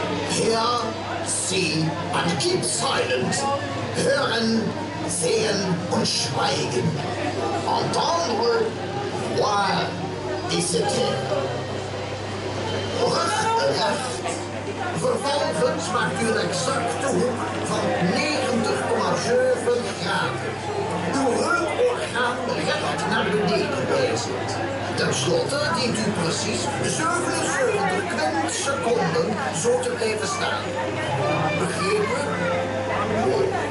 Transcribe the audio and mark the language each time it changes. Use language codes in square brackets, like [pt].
[en] Hear, see, and keep silent. [de] Hören, sehen, und schweigen. [fr] Entendre, voir, et se taire. [nl] Recht, recht. Vervolgens maakt u een exacte hoek van 90,7 graden. Uw heuporgaan recht naar beneden wijzend. Ten slotte dient u precies 77 seconden zo te blijven staan. Begrepen? Mooi.